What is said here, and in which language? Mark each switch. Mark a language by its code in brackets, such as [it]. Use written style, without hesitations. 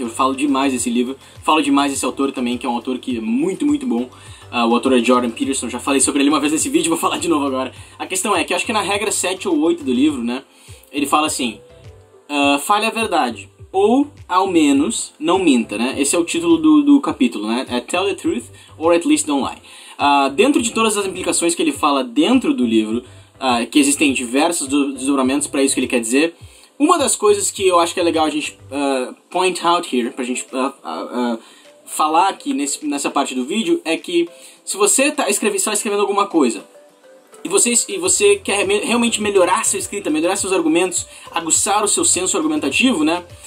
[pt] Eu falo demais desse livro, falo demais desse autor também, que é um autor que é muito, muito bom. O autor é Jordan Peterson, já falei sobre ele uma vez nesse vídeo, vou falar de novo agora. A questão é que eu acho que na regra 7 ou 8 do livro, né, ele fala assim, fale a verdade, ou ao menos não minta, né? Esse é o título do capítulo, né? [en] É Tell the Truth or at least Don't Lie. [pt] Dentro de todas as implicações que ele fala dentro do livro, que existem diversos desdobramentos para isso que ele quer dizer. Uma das coisas que eu acho que é legal a gente [en] point out here, [pt] pra gente falar aqui nessa parte do vídeo, é que se você está escrevendo alguma coisa e você quer realmente melhorar sua escrita, melhorar seus argumentos, aguçar o seu senso argumentativo, né?